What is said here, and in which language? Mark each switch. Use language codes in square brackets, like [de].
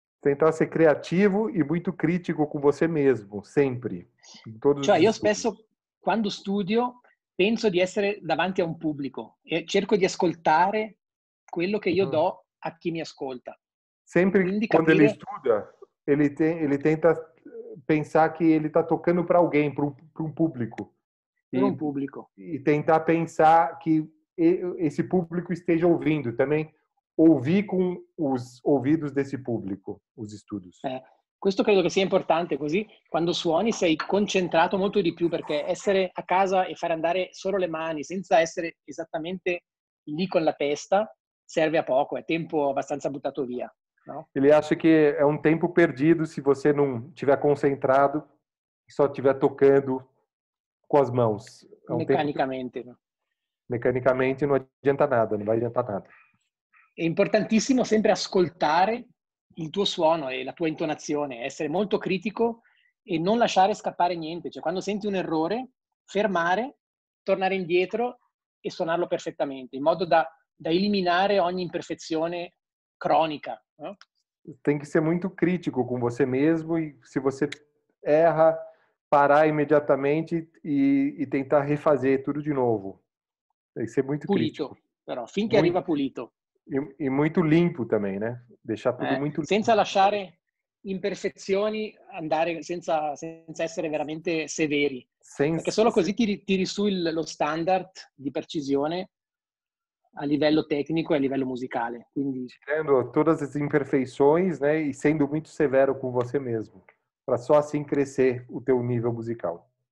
[it] Tentare essere creativo e molto critico con [pt] você mesmo, [it] sempre. Cioè, io spesso, quando studio, penso di essere davanti a un pubblico e cerco di ascoltare quello che io do a chi mi ascolta. Sempre, quindi, quando capire... ele studia, [pt] ele tenta... pensar que ele está tocando para alguém, para um público. Para um público. E tentar pensar que esse público esteja ouvindo também. Ouvir com os ouvidos desse público, os estudos. [it] Questo credo che sia importante, così quando suoni sei concentrato molto di più, perché essere a casa e fare andare solo le mani senza essere esattamente lì con la testa serve a poco, è tempo abbastanza buttato via. [pt] Não. Ele acha que é um tempo perdido se você não estiver concentrado e só estiver tocando com as mãos. É um mecanicamente. Mecanicamente não adianta nada, não vai adiantar nada. É importantíssimo [it] sempre ascoltare il tuo suono e la tua intonazione, essere molto critico e non lasciare scappare niente. Cioè, quando senti un errore, fermare, tornare indietro e suonarlo perfettamente, in modo da eliminare ogni imperfezione cronica. [pt] Tem que ser muito crítico com você mesmo e se você erra, parar imediatamente e tentar refazer tudo de novo. Tem que ser muito [it] pulito, [pt] crítico. [it] Però, fin que arriva pulito. [pt] E muito limpo também, né? Deixar tudo muito limpo. [it] Senza lasciare imperfezioni andare senza essere veramente severi. Perché solo così tiri su lo standard di precisione a livello tecnico e a livello musicale, quindi tirando tutte le imperfezioni, [pt] né, e sendo molto severo con você mesmo, para só assim crescer o teu nível musical.